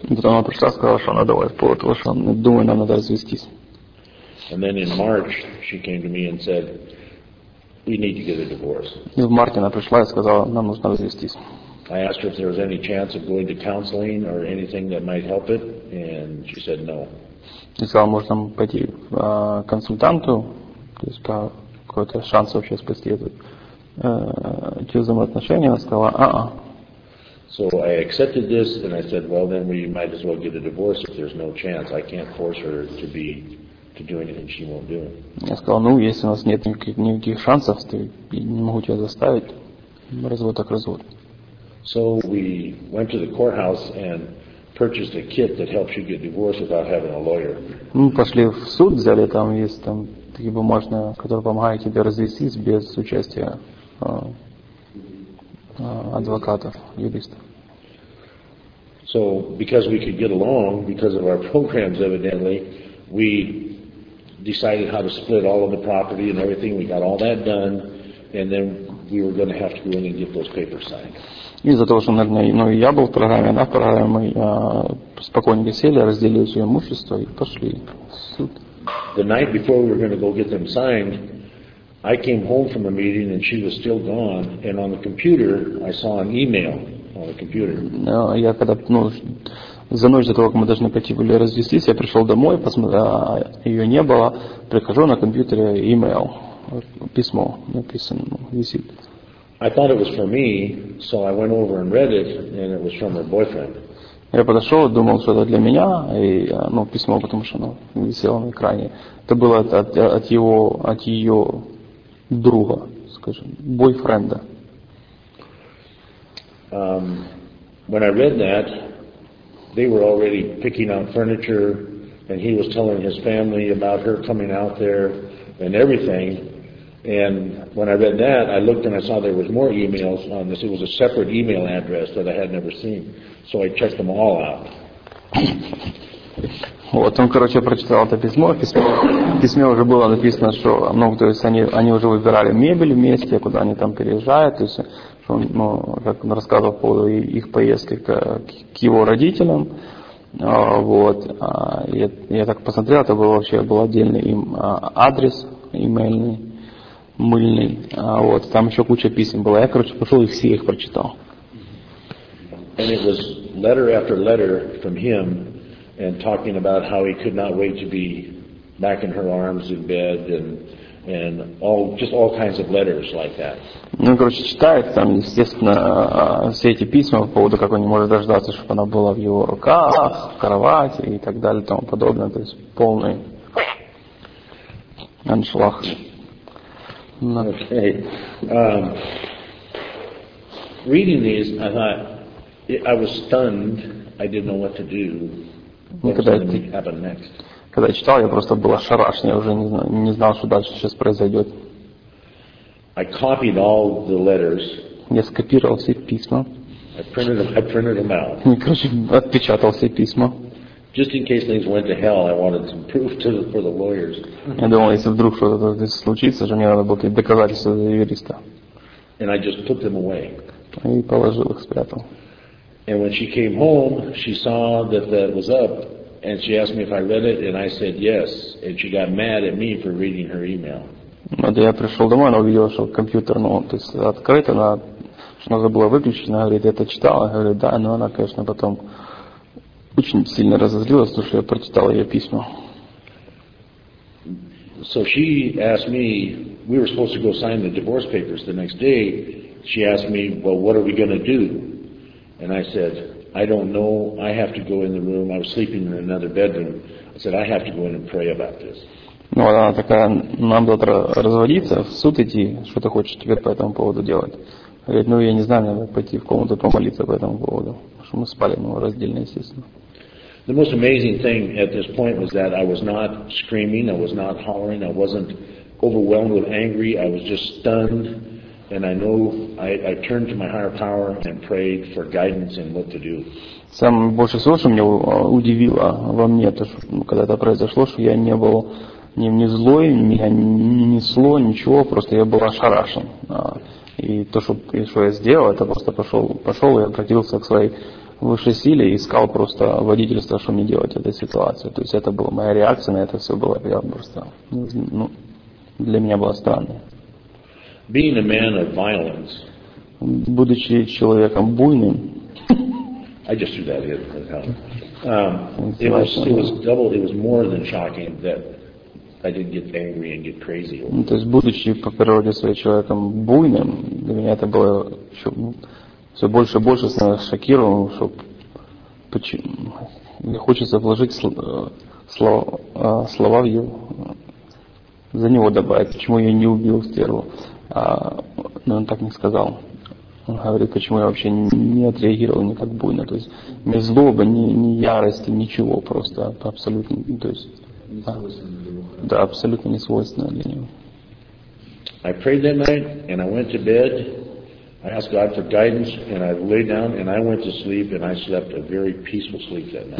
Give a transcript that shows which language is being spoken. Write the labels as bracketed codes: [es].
[ru] Потом она пришла, сказала, что она думает, потому что она думает, нам надо развестись. [en] And then in March, she came to me and said, "We need to get a divorce." [ru] И в марте она пришла и сказала, нам нужно развестись. [en] I asked her if there was any chance of going to counseling or anything that might help it, and she said no. [ru] И сказала, можно пойти к консультанту, то есть какой-то шанс вообще спасти это через взаимоотношения. Она сказала, а-а. [en] So I accepted this, and I said, well, then we might as well get a divorce if there's no chance. I can't force her to do anything she won't do. [ru] Я сказал, ну, если у нас нет никаких шансов, то я не могу тебя заставить. Развод так развод. [en] So we went to the courthouse and purchased a kit that helps you get divorced without having a lawyer. [ru] Мы пошли в суд, взяли там есть там такие бумажные, которые помогают тебе развестись без участия адвокатов, юристов. [en] So because we could get along because of our programs evidently, we decided how to split all of the property and everything. We got all that done, and then we were going to have to go in and get those papers signed. [ru] Из-за того, что, наверное, ну, и я был в программе, она в программе, мы спокойненько сели, разделили свое имущество и пошли в суд. [en] The night before we were going to go get them signed, I came home from a meeting and she was still gone, and on the computer I saw an email on the computer. [ru] Я когда, ну, за ночь до того, как мы должны пойти были развестись, я пришел домой, ее не было, прихожу на компьютере, email, письмо написано, висит. [en] I thought it was from me, so I went over and read it, and it was from her boyfriend. [ru] Я подошел, думал, что это для меня, и ну письмо, потому что оно висело на экране. Это было от ее друга, скажем, бойфренда. [en] When I read that, they were already picking out furniture, and he was telling his family about her coming out there and everything. And when I read that, I looked and I saw there was more emails on this. It was a separate email address that I had never seen. So I checked them all out. [ru] Вот он, короче, прочитал это письмо. Письме уже было написано, что, ну, то есть они уже выбирали мебель вместе, куда они там переезжают. То есть, что, ну, как он рассказывал по поводу их поездки к его родителям. Вот. Я так посмотрел, это был вообще был отдельный им адрес имейльный. Мыльный. А вот, там еще куча писем было. Я, короче, пошел и все их прочитал. [en] And it was letter after letter from him and talking about how he could not wait to be back in her arms in bed and all just all kinds of letters like that. [ru] Ну, короче, читает там, естественно, все эти письма по поводу, как он не может дождаться, чтобы она была в его руках, в кровати и так далее, и тому подобное. То есть полный аншлаг. [en] Okay. Reading these, I thought I was stunned. I didn't know what to do. What happened next? [ru] Когда я читал, я просто был ошарашен. Я уже не знал, что дальше сейчас произойдет. [en] I copied all the letters. [ru] Я скопировал все письма. [en] I printed them out. [ru] Короче, отпечатал все письма. [en] Just in case things went to hell, I wanted some proof for the lawyers. [ru] Я думал, если вдруг что-то здесь случится, же мне надо было какие-то доказательства для юриста. [en] And I just put them away. [ru] И положил их, спрятал. [en] And when she came home, she saw that was up, and she asked me if I read it, and I said yes, and she got mad at me for reading her email. [ru] Когда я пришел домой, она увидела, что компьютер, ну, то есть открыт, она, что надо было выключить, она говорит, я это читала, я говорю, да, но она, конечно, потом очень сильно разозлилась, потому что я прочитал ее письма. [en] So she asked me, we were supposed to go sign the divorce papers the next day. She asked me, well, what are we going to do? And I said, I don't know. I have to go in the room. I was sleeping in another bedroom. I said, I have to go in and pray about this. [ru] Ну, она такая, нам завтра разводиться, в суд идти, что ты хочешь теперь по этому поводу делать? Говорит, ну я не знаю, надо пойти в комнату помолиться по этому поводу. Потому что мы спали, ну, раздельно, естественно. [en] The most amazing thing at this point was that I was not screaming, I was not hollering, I wasn't overwhelmed with angry, I was just stunned. And I know I turned to my higher power and prayed for guidance in what to do. [ru] Самое больше всего, что меня удивило во мне, то, что, ну, когда это произошло, что я не был ни злой, меня не несло, ничего, просто я был ошарашен. И то, что я сделал, это просто пошел и обратился к своей высшей силе и искал просто водительство, что мне делать в этой ситуации. То есть это была моя реакция на это все было. Я просто, ну, для меня было странно. [en] Being a man of violence, [ru] будучи человеком буйным, [en] I just threw that in. It was double. It was more than shocking that I didn't get angry and get crazy. [ru] Ну, то есть, будучи по природе своим человеком буйным, для меня это было еще, все больше и больше шокировано, что почему мне хочется вложить слова в его, за него добавить, почему я не убил стерву. Но он так не сказал. Он говорит, почему я вообще не отреагировал никак буйно. То есть ни злоба, ни ярости, ничего просто. Абсолютно, то есть, да, абсолютно не свойственно для него. [en] I prayed that night and I went to bed. I asked God for guidance and I lay down and I went to sleep and I slept a very peaceful sleep that night.